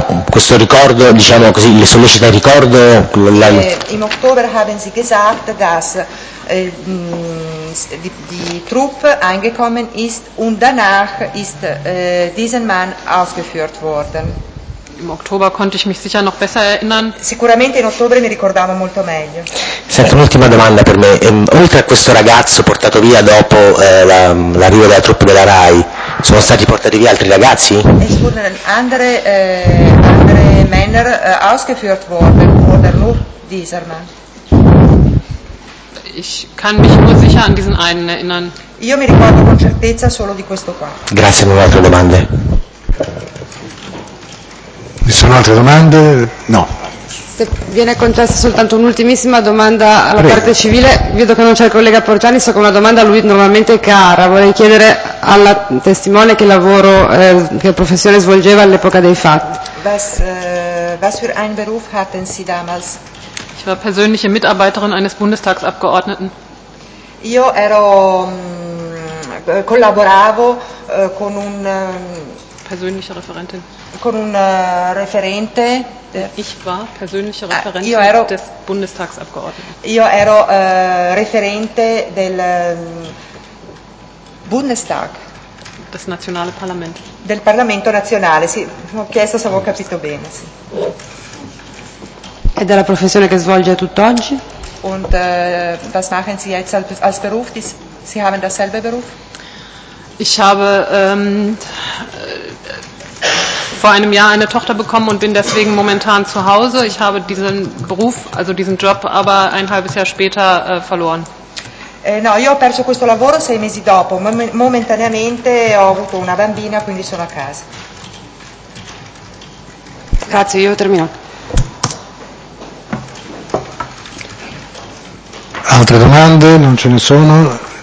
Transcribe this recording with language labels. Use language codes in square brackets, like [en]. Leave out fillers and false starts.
[it] Questo ricordo, diciamo così, le sollecita il ricordo. In ottobre [de] haben sie gesagt, dass die Truppe eingekommen ist und danach ist diesen Mann ausgeführt worden. Im Oktober konnte ich mich sicher noch besser erinnern. [it] Sicuramente in ottobre mi ricordavo molto meglio. Senta, un'ultima domanda per me. Oltre a questo ragazzo portato via dopo l'arrivo della truppa della RAI, sono stati portati via altri ragazzi? [de] Es wurden andere Männer ausgeführt worden oder nur dieser Mann? Ich kann mich nur sicher an diesen einen erinnern. [it] Io mi ricordo con certezza solo di questo qua. Grazie, non ho altre domande. Ci sono altre domande? No. Se viene concessa soltanto un'ultimissima domanda alla parte civile, vedo che non c'è il collega Porciani, so che una domanda a lui normalmente è cara. Vorrei chiedere alla testimone che lavoro, che professione svolgeva all'epoca dei fatti. [de] Was für einen Beruf hatten Sie damals? Ich war persönliche Mitarbeiterin eines Bundestagsabgeordneten. [it] Io ero collaboravo con un [de] persönliche Referentin. [it] Con un referente. [de] Ich war persönliche Referentin des Bundestagsabgeordneten. [it] Io ero referente del Bundestag. [de] Das nationale Parlament. [it] Del Parlamento nazionale. Sì, ho chiesto se avevo capito bene. Sì. E della professione che svolge tutt'oggi? [de] Und was machen Sie jetzt als Beruf? Sie haben dasselbe Beruf? Ich habe vor einem Jahr eine Tochter bekommen und bin deswegen momentan zu Hause. Ich habe diesen Beruf, also diesen Job, aber ein halbes Jahr später verloren. [it] No, io ho perso questo lavoro sei mesi dopo. Momentaneamente ho avuto una bambina, quindi sono a casa. Grazie, io ho terminato. Altre domande? Non ce ne sono.